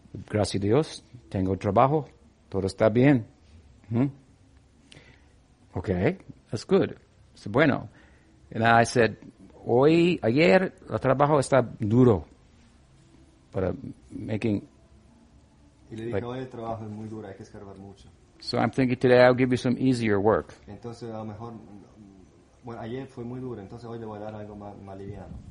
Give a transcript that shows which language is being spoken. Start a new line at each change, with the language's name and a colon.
Spanish: Gracias a Dios, tengo trabajo, todo está bien.
English: Okay, that's good,
Spanish: es bueno.
English: And I said,
Spanish: ayer, el trabajo está duro,
English: but making...
Spanish: Y le dije, hoy el trabajo es muy duro, hay que escarbar mucho.
English: So I'm thinking today I'll give you some easier work.
Spanish: Entonces a lo mejor, bueno, ayer fue muy duro, entonces hoy le voy a dar algo más liviano.